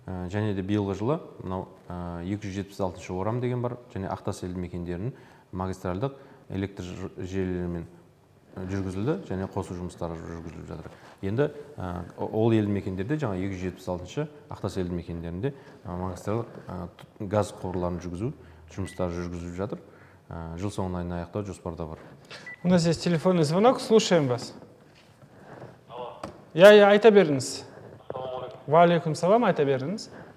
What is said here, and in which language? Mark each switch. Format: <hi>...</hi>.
<kk>Және де биылғы жылы мынау 276-ші орам деген бар және Ақтас елді мекендерінің магистральдық электр желілерімен жүргізілді және қосу жұмыстары жүргізіліп жатыр. Енді ол елді мекендерде жаңа 276-ші Ақтас елді мекендерінде магистральдық газ құбырларын жүргізу жұмыстары жүргізіліп жатыр. Жыл соңына дейін аяқтау жоспарда бар.</kk> <ru>У нас есть телефонный звонок, слушаем вас.</ru> <kk>Алло. Я айта беріңіз. Уалейкум салам, айта беріңіз.</kk>